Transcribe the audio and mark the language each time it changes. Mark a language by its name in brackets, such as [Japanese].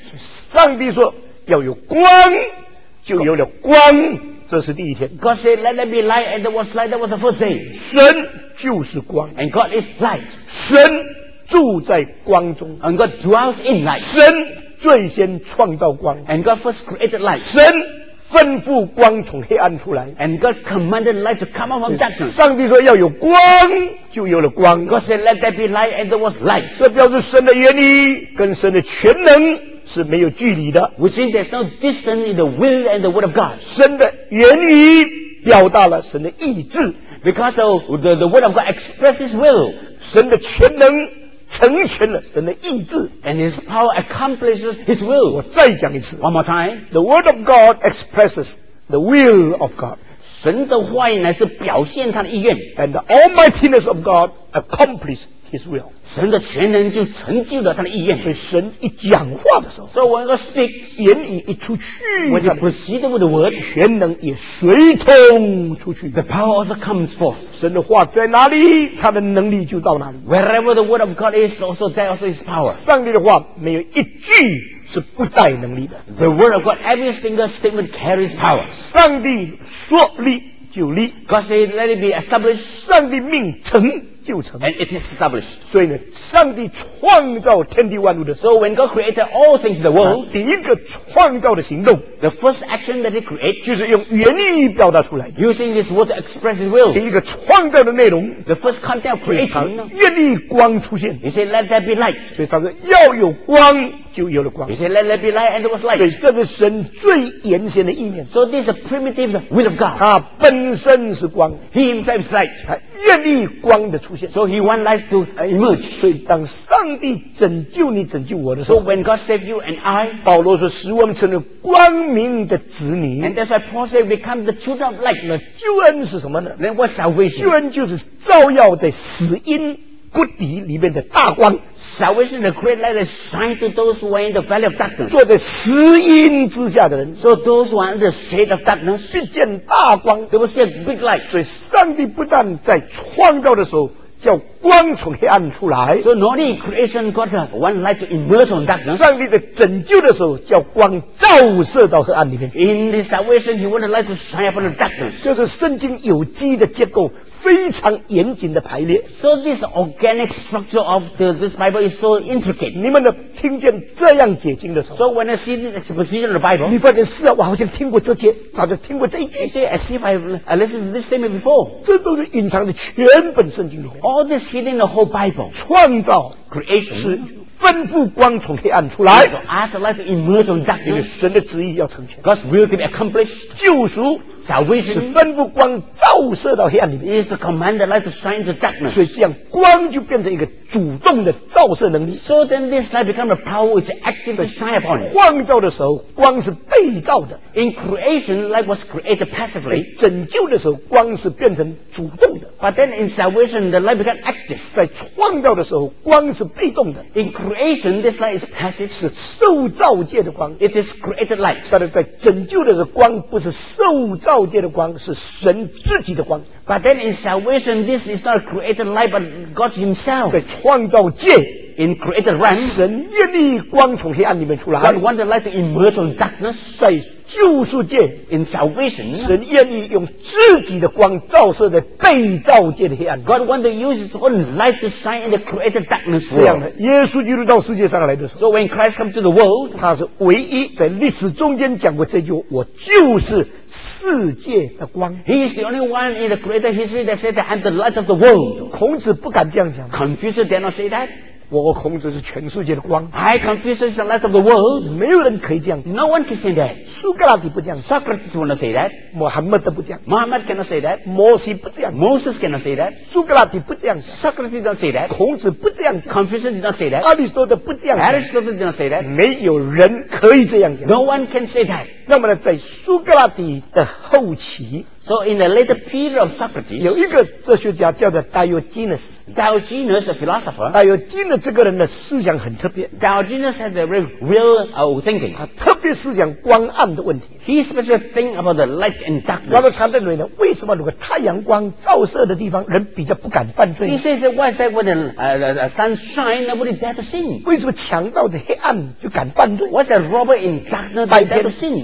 [Chinese] 上帝说要有光就有了光这是第一天 [English] God said let there be light and there was light that was the first day [Chinese] 神就是光 [English] and God is light [Chinese] 神住在光中 [English] and God dwells in light [Chinese] 神最先创造光 [English] and God first created light [Chinese] 神吩咐光从黑暗出来 [English] and God commanded light to come out from darkness [Chinese] 上帝说要有光就有了光 [English] God said let there be light and there was light [Chinese] 这表示神的原理跟神的全能是没有距离的 [English] which means there's no distance in the will and the word of God [Chinese] 神的言语表达了神的意志 [English] because the word of God expresses will [Chinese] 神的全能成全了神的意志 [English] and his power accomplishes his will [Chinese] 我再讲一次 [English] one more time the word of God expresses the will of God [Chinese] 神的话语乃是表现他的意愿 [English] and the almightiness of God accomplishes His will. [Chinese] 神的全能就成就了他的意愿所以神一讲话的时候 [English] So when God speaks [Chinese] 言语一出去 [English] When he proceeded with the word [Chinese] 全能也随同出去 [English] The power also comes forth [Chinese] 神的话在哪里他的能力就到哪里 [English] Wherever the word of God is also there also is power [Chinese] 上帝的话没有一句是不带能力的 [English] The word of God every single statement carries power [Chinese] 上帝说立就立。 [English] God said, let it be established. [Chinese] 上帝命成就成。 [English] And it is established. [Chinese] 所以呢，上帝创造天地万物的时候 [English] ，So when God created all things in the world, [Chinese] 第一个创造的行动 [English] ，The first action that He created, [Chinese] 就是用原意表达出来的。 [English] Using His word to express His will. [Chinese] 第一个创造的内容 [English] ，The first content of creation. [Chinese] 愿意光出现。 [English] He said, let there be light. [Chinese] 所以他说要有光。就有了光。 [English] He said, "Let there be light, and there was light." [Chinese] 所以这是神最原先的意念。 [English] So this is a primitive will of God. [Chinese] 他本身是光。 [English] He himself is light. [Chinese] 他愿意光的出现。 [English] So he wants light to emerge. [Chinese] 所以当上帝拯救你、拯救我的时候 [English] ，So when God saved you and I, [Chinese] 保罗说使我们成了光明的子女。 [English] And that's why Paul said, "Become the children of light." [Chinese] 那救恩是什么呢 [English] ？Then what's salvation? [Chinese] 救恩就是照耀在死荫。谷底里面的大光 [English] Salvation the great light that shines to those who are in the valley of darkness [Chinese] 坐在死荫之下的人 [English] So those who are in the shade of darkness [Chinese] 必见大光 [English] They will see a big light [Chinese] 所以上帝不但在创造的时候叫光从黑暗出来 [English] So not only in creation God wants light to emerge from darkness [Chinese] 上帝在拯救的时候叫光照射到黑暗里面 [English] In the salvation he wants light to shine upon the darkness [Chinese] 就是圣经有机的结构非常严谨的排列 [English] So this organic structure of this Bible is so intricate [Chinese] 你们听见这样解经的时候 [English] So when I see this exposition of the Bible [Chinese] 你发现是啊我好像听过这节早就听过这一节 [English] You say as if I've listened to this statement before [Chinese] 这都是隐藏的全本圣经里面 [English] All this hidden the whole Bible [Chinese] 创造 [English] Creation [Chinese] 是吩咐光从黑暗出来 [English] So ask the light to emerge from darkness [Chinese] 因为神的旨意要成全 [English] God's will to be accomplished [Chinese] 救赎 [English] Salvation, [Chinese] 是吩咐光照射到黑暗里面 [English] is to command the light to shine the darkness [Chinese] 所以这样光就变成一个主动的照射能力 [English] so then this light becomes a power which actively shine upon it [Chinese] 创造的时候光是被照的 [English] in creation light was created passively [Chinese] 拯救的时候光是变成主动的 [English] but then in salvation the light becomes active [Chinese] 在创造的时候光是被动的 [English] in creation this light is passive [Chinese] 是受造界的光 [English] it is created light [Chinese] 但是在拯救的时候光不是受造照界的光是神自己的光 [English] But then in salvation this is not created light but God himself [Chinese] 在创造界 [English] In created realm [Chinese] 神愿意光从黑暗里面出来 [English] God want the light to emerge from darkness [Chinese] 在救赎界 [English] In salvation [Chinese] 神愿意用自己的光照射在被照界的黑暗 [English] God want to use his own light to shine in the created darkness [Chinese] 这样的耶稣基督到世界上来的时候 [English] So when Christ comes to the world [Chinese] 他是唯一在历史中间讲过这句我就是世界的光 [English] He is the only one in the creator history that said that I'm the light of the world [Chinese] 孔子不敢这样讲 [English] Confucius did not say that [Chinese] 我孔子是全世界的光 [English] I Confucius is the light of the world [Chinese] 没有人可以这样 [English] No one can say that [Chinese] 苏格拉底不这样 [English] Socrates will not say that [Chinese] Muhammad 不这样 [English] Muhammad cannot say that [Chinese] 摩西不这样 [English] Moses cannot say that [Chinese] 苏格拉底不这样 [English] Socrates did not say that [Chinese] 孔子不这样 [English] Confucius did not say that [Chinese] Aristotle 不这样 [English] Aristotle did not say that [Chinese] 没有人可以这样讲 [English] No one can say that [Chinese] 那么呢在苏格拉底的后期 [English] So in the later period of Socrates [Chinese] 有一个哲学家叫做 Diogenes [English] Diogenes a philosopher [Chinese] Diogenes 这个人的思想很特别 [English] Diogenes has a very real thinking [Chinese] 他特别思想光暗的问题 [English] He especially think about the light and darkness [Chinese] 然后他认为呢为什么如果太阳光照射的地方人比较不敢犯罪 [English] He says why is that when the sunshine nobody dare to sin [Chinese] 为什么强盗在黑暗就敢犯罪 [English] What's that robber in darkness that dare to sin